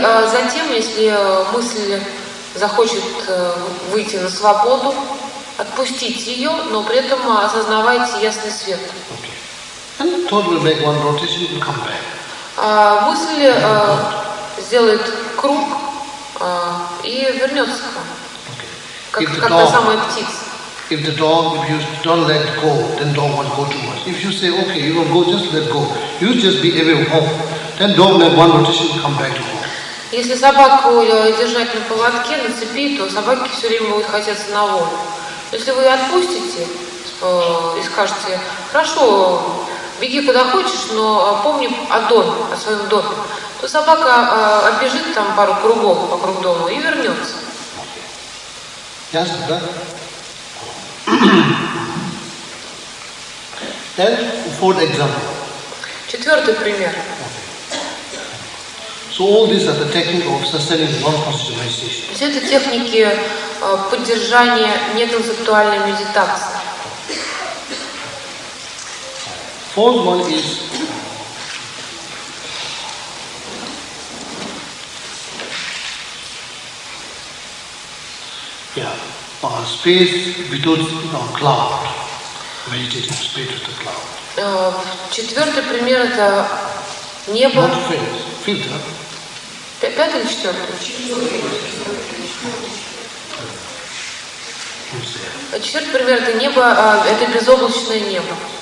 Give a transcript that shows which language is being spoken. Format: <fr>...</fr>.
<ru>Затем, если мысль захочет выйти на свободу, отпустить ее, но при этом осознавайте ясный свет.</ru> <en>And thought will make one rotation and come back.</en> <ru>Мысль сделает круг и вернется к вам.</ru> <en>Okay.</en> <ru>Как та самая птица.</ru> <en>If the dog, if you don't let go, then dog won't go too much. If you say, okay, you will go, just let go. You just be aware of home. Then dog make one rotation and come back to home.</en> <ru>Если собаку держать на поводке, на цепи, то собаки все время будут хотеться на волю. Если вы отпустите и скажете, хорошо, беги куда хочешь, но помни о доме, о своем доме. То собака обежит там пару кругов вокруг дома и вернется. Ясно, да?</ru> <en>Then, fourth example.</en> <ru>Четвертый пример.</ru> <en>So all these are the technique of sustaining non-conceptual meditation.</en> <ru>Все это техники поддержания неконцептуальной медитации.</ru> <en>Fourth one is space without cloud. Meditation space without cloud.</en> <ru>Четвертый пример это небо.</ru> <en>Not filter. Filter.</en> <ru>Пятый или четвертый? Четвертый пример это небо, это безоблачное небо.</ru>